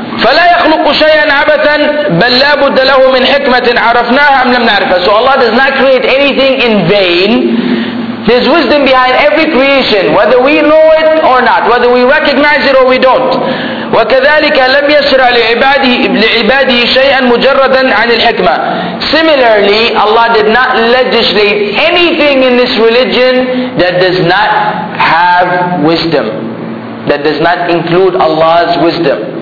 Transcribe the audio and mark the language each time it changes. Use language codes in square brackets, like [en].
[ar] فلا يخلق شيئا عبثا بل لا بد له من حكمة عرفناها أم لم نعرفها. [en] So Allah does not create anything in vain. There's wisdom behind every creation, whether we know it or not, whether we recognize it or we don't. [ar] وكذلك لم يشرع لعباده شيئا مجردا عن الحكمة. [en] Similarly, Allah did not legislate anything in this religion that does not have wisdom, that does not include Allah's wisdom.